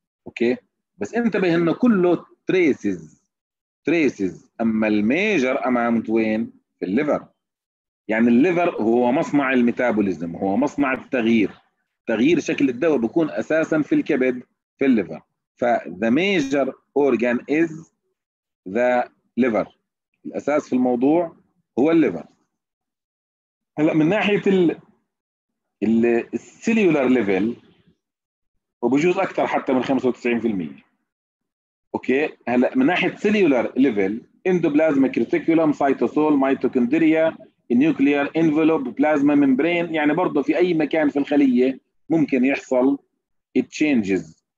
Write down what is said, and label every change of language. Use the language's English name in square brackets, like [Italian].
[Arabic] أوكي؟ بس انتبه إنه كله تريسز. تريسز. أما الميجر أمامت وين؟ في الليفر. يعني الليفر هو مصنع الميتابوليزم، هو مصنع التغيير. تغيير شكل الدواء بيكون أساساً في الكبد، في الليفر. ف [English] the major organ is the liver. [Arabic] الأساس في الموضوع هو الليفر. هلا من ناحية ال cellular level، وبجوز أكثر حتى من 95%. أوكي؟ هلا من ناحية cellular level، endoplasmic reticulum، cytosol، mitochondria، nuclear envelope، بلازما ممبرين، يعني برضه في أي مكان في الخلية ممكن يحصل changes.